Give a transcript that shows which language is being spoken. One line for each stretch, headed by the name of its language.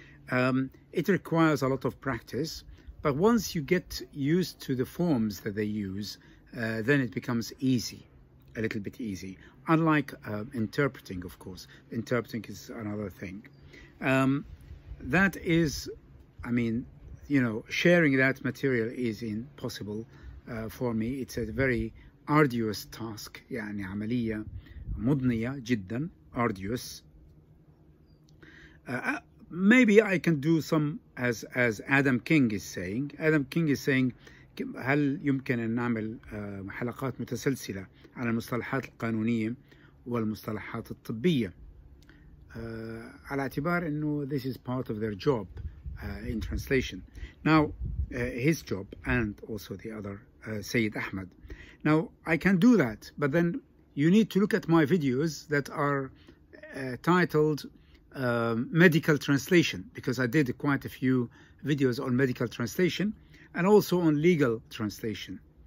English: It requires a lot of practice, but once you get used to the forms that they use, then it becomes easy, a little bit easy. Unlike interpreting, of course. Interpreting is another thing. That is, I mean, you know, sharing that material is impossible for me. It's a very arduous task.
Arabic: يعني عملية مضنية جدا, arduous.
English: Maybe I can do some, as Adam King is saying. Adam King is saying,
Arabic: هل يمكن أن نعمل حلقات متسلسلة على المصطلحات القانونية والمصطلحات الطبية؟ على اعتبار أنه
English: this is part of their job in translation. Now, his job and also the other, Sayyid Ahmed. Now, I can do that, but then you need to look at my videos that are titled medical translation, because I did quite a few videos on medical translation and also on legal translation.